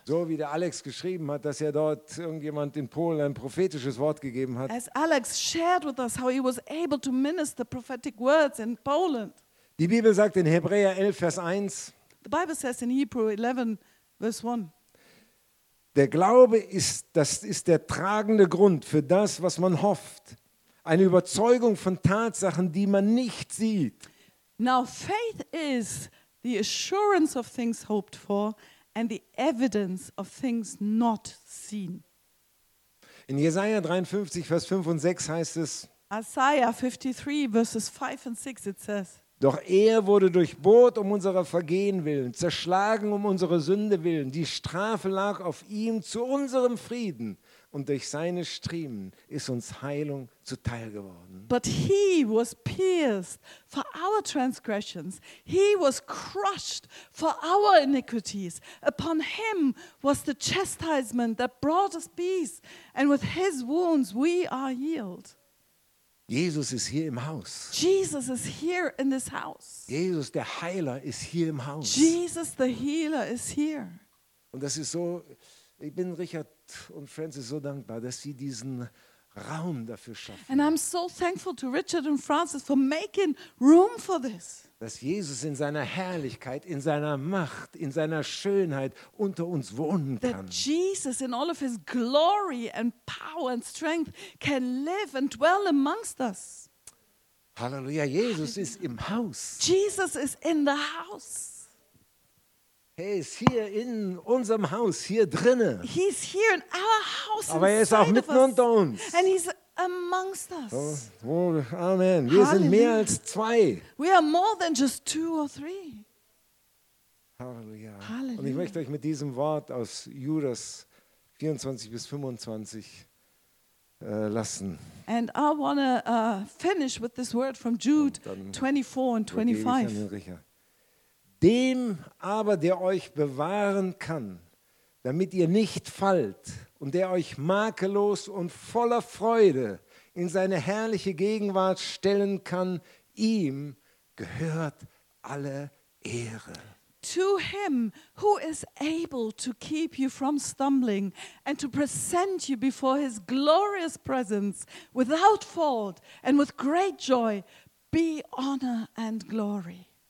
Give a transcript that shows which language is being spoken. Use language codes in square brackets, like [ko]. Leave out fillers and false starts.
[de] So wie der Alex geschrieben hat, dass er dort irgendjemand in Polen ein prophetisches Wort gegeben hat. [en] As Alex shared with us how he was able to minister prophetic words in Poland. [de] Die Bibel sagt in Hebräer 11, Vers 1, [en] the Bible says in Hebrew 11, verse 1, [de] der Glaube ist, das ist der tragende Grund für das, was man hofft. Eine Überzeugung von Tatsachen, die man nicht sieht. [en] Now faith is the assurance of things hoped for and the evidence of things not seen. [de] In Jesaja 53, Vers 5 und 6 heißt es, [en] Isaiah 53, verses 5 and 6, it says, [de] doch er wurde durchbohrt um unserer Vergehen willen, zerschlagen um unsere Sünde willen. Die Strafe lag auf ihm zu unserem Frieden. und durch seine Striemen ist uns Heilung zuteil geworden. [en] But he was pierced for our transgressions. He was crushed for our iniquities. Upon him was the chastisement that brought us peace. And with his wounds we are healed. [de] Jesus ist hier im Haus. [en] Jesus is here in this house. [de] Jesus, der Heiler, ist hier im Haus. [en] Jesus, the healer, is here. [de] Und das ist so, ich bin Richard und Francis so dankbar, dass sie diesen Raum dafür schaffen. [en] And I'm so thankful to Richard and Francis for making room for this. [de] Dass Jesus in seiner Herrlichkeit, in seiner Macht, in seiner Schönheit unter uns wohnen kann. [en] That Jesus in all of his glory and power and strength can live and dwell amongst us. [de] Halleluja, Jesus ist im Haus. [en] Jesus is in the house. [de] Er ist hier in unserem Haus, hier drinnen. [en] He's here in our house. [de] Aber er ist auch mitten unter uns. [en] And he's amongst us. [de] Oh, oh, amen. Wir sind mehr als zwei. [en] We are more than just two or three. [de] Halleluja. Halleluja. Und ich möchte euch mit diesem Wort aus Judas 24 bis 25 lassen. [en] And I want to finish with this word from Jude 24 and 25. [de] Dem aber, der euch bewahren kann, damit ihr nicht fallt und der euch makellos und voller Freude in seine herrliche Gegenwart stellen kann, ihm gehört alle Ehre. [en] To him who is able to keep you from stumbling and to present you before his glorious presence without fault and with great joy, be honor and glory.